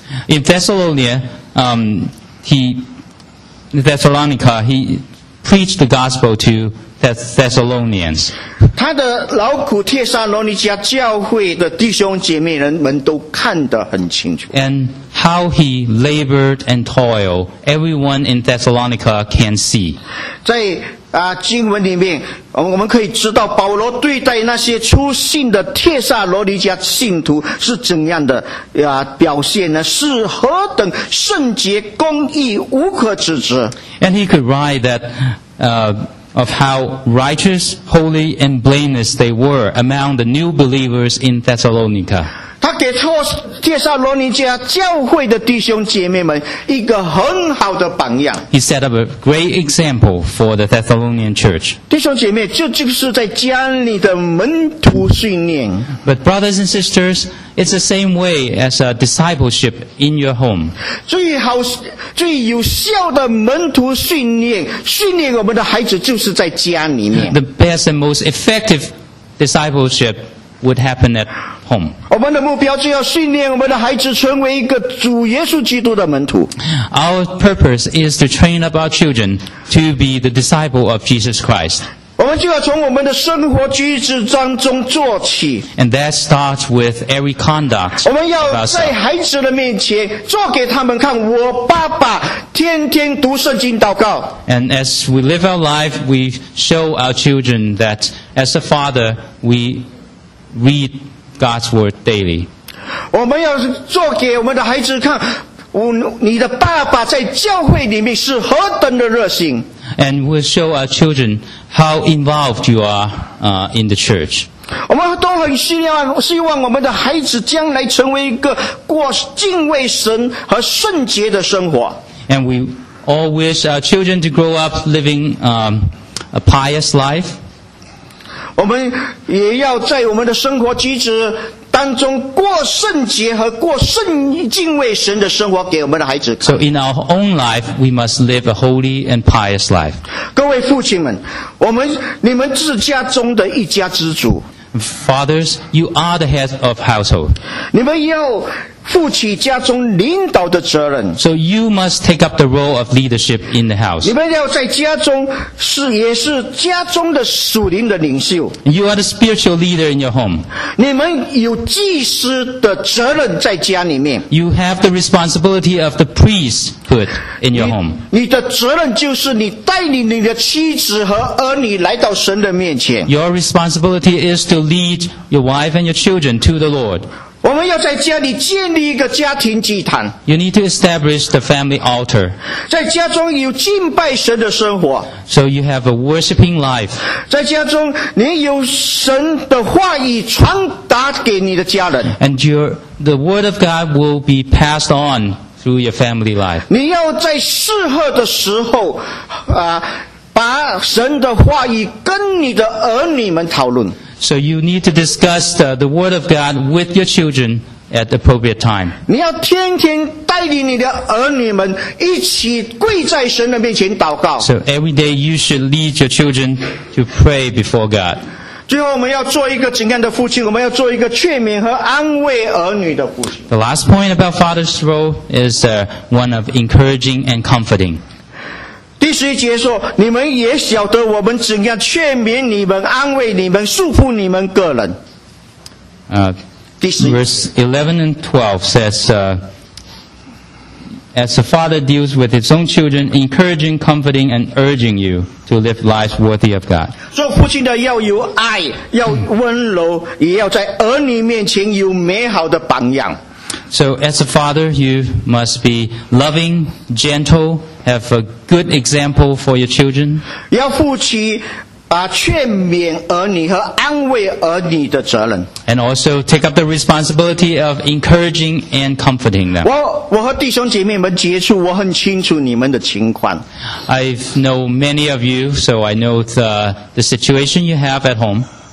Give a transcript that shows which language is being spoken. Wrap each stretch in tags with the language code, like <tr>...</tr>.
<en>In Thessalonica, he preached the gospel to Thessalonians.</en> <zh>他的劳苦帖撒罗尼迦教会的弟兄姐妹人们都看得很清楚。</zh> <en>And how he labored and toiled, everyone in Thessalonica can see.</en> <zh>在经文里面，我们可以知道保罗对待那些初信的帖撒罗尼迦信徒是怎样的表现呢？是何等圣洁、公义、无可指责。</zh> <en>And he could write that, of how righteous, holy, and blameless they were among the new believers in Thessalonica.</en> <zh>他给帖撒罗尼迦教会的弟兄姐妹们一个很好的榜样。</zh> <en>He set up a great example for the Thessalonian church.</en> <zh>弟兄姐妹，这就是在家里的门徒训练。</zh> <en>But brothers and sisters, it's the same way as a discipleship in your home.</en> <zh>最有效的门徒训练我们的孩子就是在家里面。</zh> <en>The best and most effective discipleship would happen at home.</en> <zh>我们的目标就要训练我们的孩子成为一个主耶稣基督的门徒。</zh> <en>Our purpose is to train up our children to be the disciple of Jesus Christ.</en> <zh>我们就要从我们的生活举止当中做起。</zh> <en>And that starts with every conduct.</en> <zh>我们要在孩子的面前做给他们看，我爸爸天天读圣经祷告。</zh> <en>And as we live our life, we show our children that as a father, we read God's word daily.</en> <zh>我们要做给我们的孩子看，你的爸爸在教会里面是何等的热心。</zh> <en>And we'll show our children how involved you are in the church.</en> <zh>我们都很希望我们的孩子将来成为一个过敬畏神和圣洁的生活。</zh> <en>And we all wish our children to grow up living a pious life.</en> <zh>我们也要在我们的生活举止当中过圣洁和过圣敬畏神的生活给我们的孩子看。</zh> <en>So in our own life, we must live a holy and pious life.</en> <zh>各位父亲们，你们自家中的一家之主。</zh> <en>Fathers, you are the head of household.</en> <zh>你们要负起家中领导的责任。</zh> <en>So you must take up the role of leadership in the house.</en> <zh>你们要在家中也是家中的属灵的领袖。</zh> <en>You are the spiritual leader in your home.</en> <zh>你们有祭司的责任在家里面。</zh> <en>You have the responsibility of the priesthood in your home.</en> <zh>你的责任就是你带领你的妻子和儿女来到神的面前。</zh> <en>Your responsibility is to lead your wife and your children to the Lord.</en> <zh>我们要在家里建立一个家庭祭坛。</zh> <en>You need to establish the family altar.</en> <zh>在家中有敬拜神的生活。</zh> <en>So you have a worshiping life.</en> <zh>在家中你有神的话语传达给你的家人。</zh> <en>And the word of God will be passed on through your family life.</en> <zh>你要在适合的时候把神的话语跟你的儿女们讨论。</zh> <en>So you need to discuss the word of God with your children at the appropriate time.</en> <zh>你要天天带领你的儿女们一起跪在神的面前祷告。</zh> <en>So every day you should lead your children to pray before God.</en> <zh>最后我们要做一个怎样的父亲？我们要做一个劝勉和安慰儿女的父亲。</zh> <en>The last point about father's role is one of encouraging and comforting.</en> <zh>第十一节说，你们也晓得我们怎样劝勉你们、安慰你们、束缚你们个人。</zh> <en>Verse 11 and 12 says, as a father deals with his own children, encouraging, comforting, and urging you to live lives worthy of God.</en> <zh>做父亲的要有爱，要温柔，也要在儿女面前有美好的榜样。</zh> <en>So as a father, you must be loving, gentle, have a good example for your children.</en> <zh>要负起劝勉儿女和安慰儿女的责任。</zh> <en>And also take up the responsibility of encouraging and comforting them.</en> <zh>我和弟兄姐妹们接触，我很清楚你们的情况。</zh> <en>I know many of you, so I know the situation you have at home.</en>